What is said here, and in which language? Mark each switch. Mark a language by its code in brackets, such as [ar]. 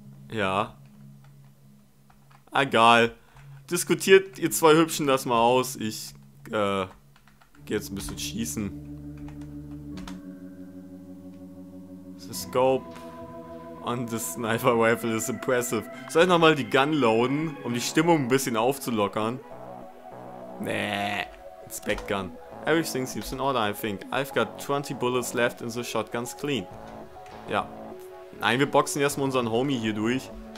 [de] Ja. Egal. Diskutiert ihr zwei Hübschen das mal aus. Ich, geh jetzt ein bisschen schießen. [en] The scope on the sniper rifle is impressive. [de] Soll ich nochmal die Gun loaden, um die Stimmung ein bisschen aufzulockern? [en] Nee, Inspect Gun. Everything seems in order, I think. I've got 20 bullets left in the shotgun's clean. [de] Ja. Nein, wir boxen erstmal unseren Homie hier durch.